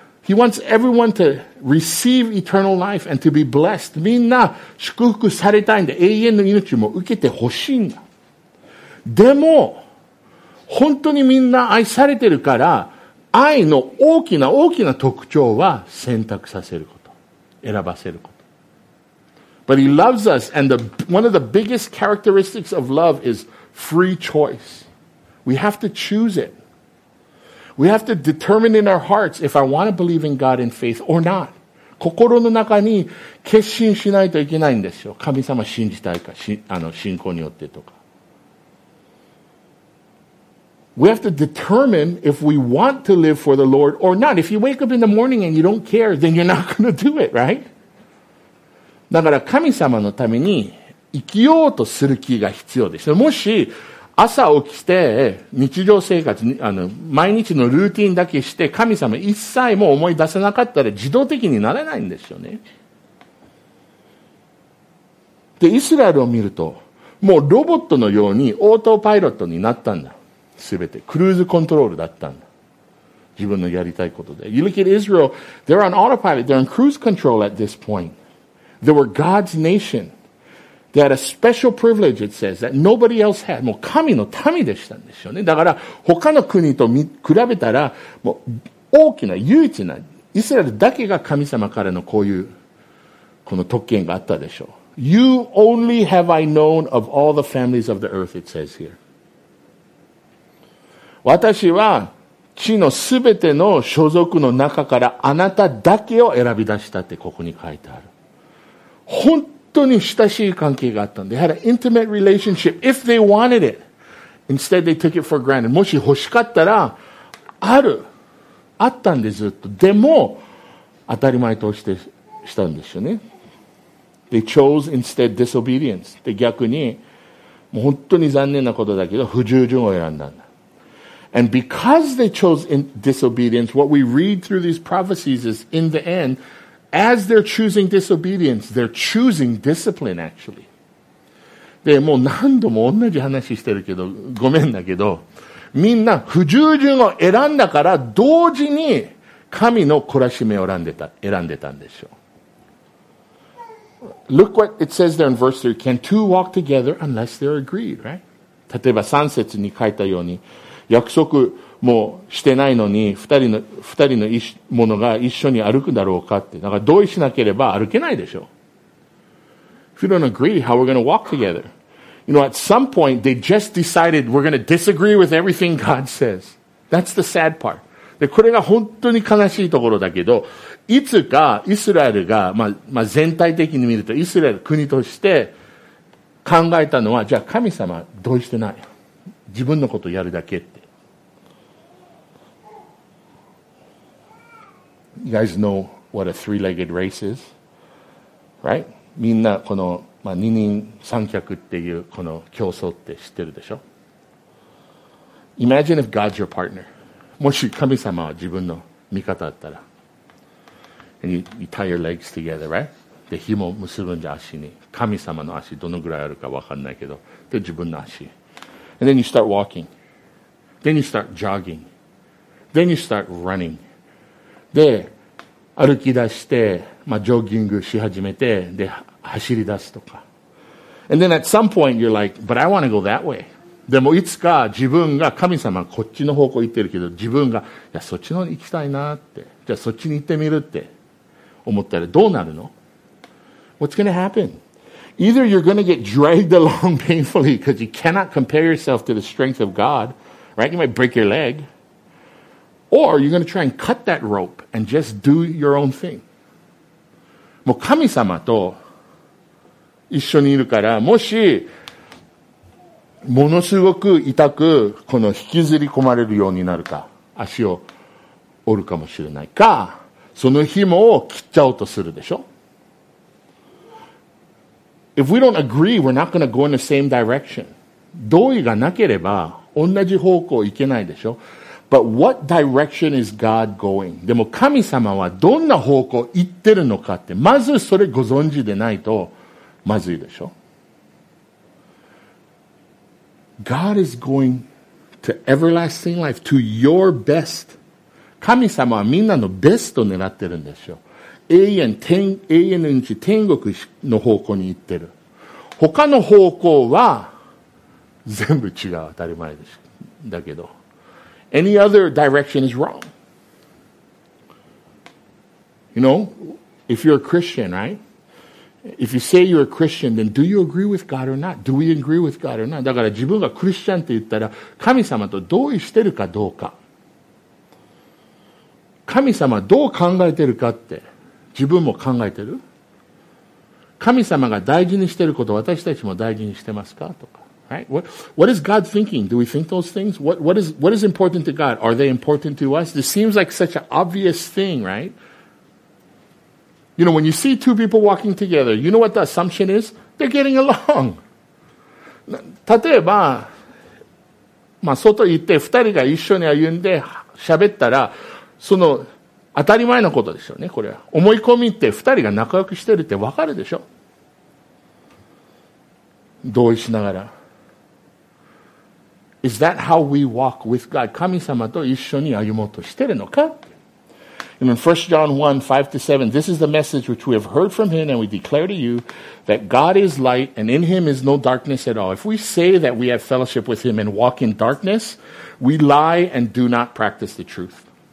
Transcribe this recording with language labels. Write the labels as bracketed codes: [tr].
[en] He wants everyone to receive eternal life and to be blessed. [ja] みんな祝福されたいんだ。永遠の命も受けてほしいんだ。でも、本当にみんな愛されてるから、愛の大きな大きな特徴は選択させること。選ばせること。 [en] But he loves us, and one of the biggest characteristics of love is free choice. We have to choose it. We have to determine in our hearts if I want to believe in God in faith or not. [ja] 心の中に決心しないといけないんですよ。神様信じたいか、信仰によってとか。 [en] We have to determine if we want to live for the Lord or not. If you wake up in the morning and you don't care, then you're not going to do it, right? [ja] だから神様のために生きようとする気が必要です。もし朝起きて日常生活に、毎日のルーティンだけして神様一切も思い出せなかったら自動的になれないんですよね。で、イスラエルを見るともうロボットのようにオートパイロットになったんだ。全てクルーズコントロールだったんだ。自分のやりたいことで。 [en] You look at Israel, they're on autopilot, they're on cruise control at this point. They were God's nation. They had a special privilege, it says, that nobody else had. [ja] もう神の民でしたんですよね。だから他の国と比べたら、もう大きな唯一なイスラエルだけが神様からのこういうこの特権があったでしょう。 [en] You only have I known of all the families of the earth, it says here. [ja] 私は地のすべての所属の中からあなただけを選び出したってここに書いてある。本当に親しい関係があったんで。 [en] They had an intimate relationship if they wanted it. Instead they took it for granted. [ja] もし欲しかったら、ある。あったんでずっと。でも、当たり前としてしたんですよね。 [en] They chose instead disobedience. [ja] で逆に、もう本当に残念なことだけど、不従順を選んだんだ。 [en] And because they chose disobedience, what we read through these prophecies is in the end, as they're choosing disobedience, they're choosing discipline actually. [ja] で、もう何度も同じ話してるけど、ごめんだけど、みんな不従順を選んだから同時に神の懲らしめを選んでたんでしょう。 [en] Look what it says there in verse 3. Can two walk together unless they're agreed, right? [ja] 例えば3節に書いたように、約束もしてないのに二人の者が一緒に歩くだろうかって。だから同意しなければ歩けないでしょう。 [en] If you don't agree, how are we going to walk together? You know, at some point, they just decided we're going to disagree with everything God says. That's the sad part. [ja] で、これが本当に悲しいところだけど、いつかイスラエルが、全体的に見ると、イスラエル国として考えたのは、じゃあ神様同意してない。自分のことをやるだけって。 [en] You guys know what a three-legged race is, right? [ja] みんなこの、二人三脚っていうこの競争って知ってるでしょ? [en] Imagine if God's your partner. [ja] もし神様は自分の味方だったら。 [en] And you tie your legs together, right? [ja] で、紐結ぶんじゃ足に。神様の足どのぐらいあるか分かんないけど。で、自分の足。 [en] And then you start walking. Then you start jogging. Then you start running. [ja] で、歩き出して、ジョギングし始めて、で、走り出すとか。 [en] And then at some point you're like, but I want to go that way. [ja] でもいつか自分が、神様こっちの方向行ってるけど、自分が、いや、そっちの方に行きたいなって、じゃあそっちに行ってみるって思ったらどうなるの? [en] What's going to happen? Either you're going to get dragged along painfully because you cannot compare yourself to the strength of God, right? You might break your leg. Or you're going to try and cut that rope and just do your own thing. [ja] もう神様と一緒にいるから、もしものすごく痛くこの引きずり込まれるようになるか、足を折るかもしれないか、その紐を切っちゃおうとするでしょ? [en] If we don't agree, we're not going to go in the same direction. [ja] 同意がなければ同じ方向行けないでしょ? [en] But what direction is God going? [ja] でも神様はどんな方向行ってるのかって、まずそれご存知でないとまずいでしょ? [en] God is going to everlasting life, to your best. [ja] 神様はみんなのベストを狙ってるんですよ。永遠、永遠のうち天国の方向に行ってる。他の方向は全部違う、当たり前です。だけど。 [en] Any other direction is wrong. You know, if you're a Christian, right? If you say you're a Christian, then do you agree with God or not? Do we agree with God or not? [ja] だから自分がクリスチャンって言ったら神様と同意してるかどうか。神様どう考えてるかって自分も考えてる？神様が大事にしてること私たちも大事にしてますかとか。 [en] Right? What is God thinking? Do we think those things? What is important to God? Are they important to us? This seems like such an obvious thing, right? You know, when you see two people walking together, you know what the assumption is? They're getting along. [ja] 例えば、まあ、外行って2人が一緒に歩んで喋ったら、その当たり前のことでしょうね、これは。思い込みって2人が仲良くしてるって分かるでしょ？同意しながら。 [en] Is that how we walk with God? [ja] 神様と一緒に歩もうとしてるのか？ [en] And in 1 John 1, 5-7, this is the message which we have heard from him and we declare to you that God is light and in him is no darkness at all. If we say that we have fellowship with him and walk in darkness, we lie and do not practice the truth.